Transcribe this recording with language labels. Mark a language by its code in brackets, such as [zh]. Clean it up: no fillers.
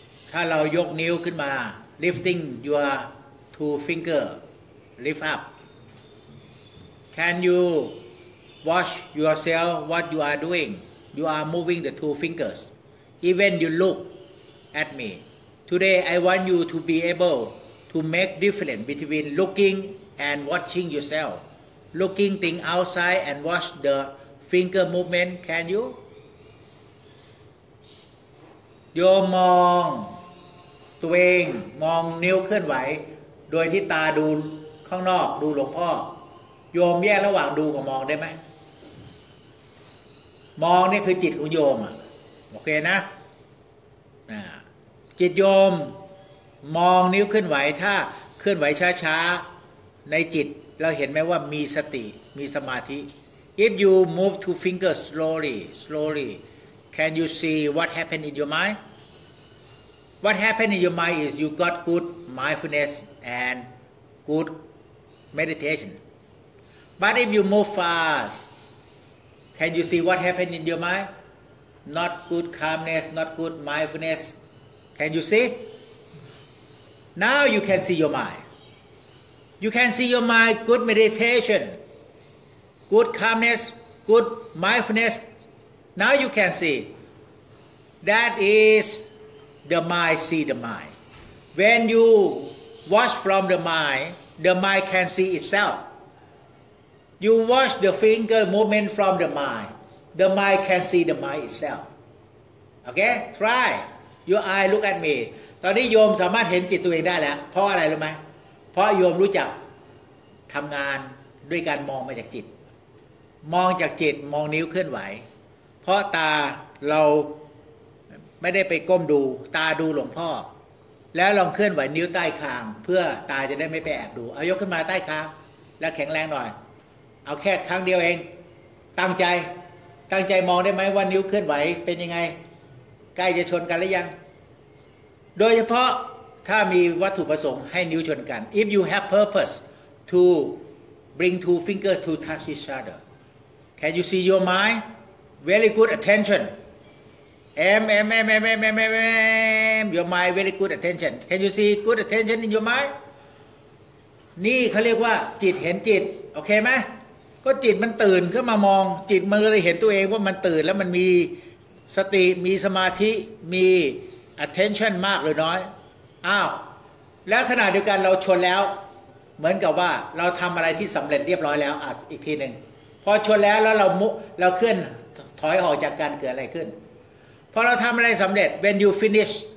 [th] ถ้าเรายกนิ้วขึ้นมา [en] lifting your two finger lift up can you watch yourself what you are doing you are moving the two fingers even you look at meToday I want you to be able to make difference between looking and watching yourself. Looking thing outside and watch the finger movement, can you? [th] โยมมองตัวเองมองนิ้วเคลื่อนไหวโดยที่ตาดูข้างนอกดูหลวงพ่อโยมแยกระหว่างดูกับมองได้ไหม มองนี่คือจิตของโยมอ่ะโอเคนะจิตโยมมองนิ้วเคลื่อนไหวถ้าเคลื่อนไหวช้าๆในจิตเราเห็นไหมว่ามีสติมีสมาธิ [en] If you move two fingers slowly slowly can you see what happened in your mind What happened in your mind is you got good mindfulness and good meditation But if you move fast can you see what happened in your mind Not good calmness not good mindfulnessCan you see? Now you can see your mind. You can see your mind, good meditation, good calmness, good mindfulness. Now you can see. That is the mind see the mind. When you watch from the mind can see itself. You watch the finger movement from the mind can see the mind itself. Okay? Try. Your eye look at me. [th] ตอนนี้โยมสามารถเห็นจิตตัวเองได้แล้วเพราะอะไรรู้ไหมเพราะโยมรู้จักทำงานด้วยการมองมาจากจิตมองจากจิตมองนิ้วเคลื่อนไหวเพราะตาเรา ไม่ได้ไปก้มดูตาดูหลวงพ่อแล้วลองเคลื่อนไหวนิ้วใต้คางเพื่อตาจะได้ไม่ไปแอบดูเอายกขึ้นมาใต้คางแล้วแข็งแรงหน่อยเอาแค่ครั้งเดียวเองตั้งใจมองได้ไหมว่านิ้วเคลื่อนไหวเป็นยังไงใกล้จะชนกันหรือยังโดยเฉพาะถ้ามีวัตถุประสงค์ให้นิ้วชนกัน [en] If you have purpose to bring two fingers to touch each other Can you see your mind? Very good attention Your mind very good attention Can you see good attention in your mind? [th] นี่เขาเรียกว่าจิตเห็นจิตโอเคไหมก็จิตมันตื่นขึ้นมามองจิตมันเลยเห็นตัวเองว่ามันตื่นแล้วมันมีสติมีสมาธิมี attention มากหรือน้อยอ้าวแล้วขณะเดียวกันเราชนแล้วเหมือนกับว่าเราทำอะไรที่สำเร็จเรียบร้อยแล้วอ่ะอีกทีนึงพอชนแล้วแล้วเราเคลื่อนถอยออกจากการเกิดอะไรขึ้นพอเราทำอะไรสำเร็จ [en] when you finish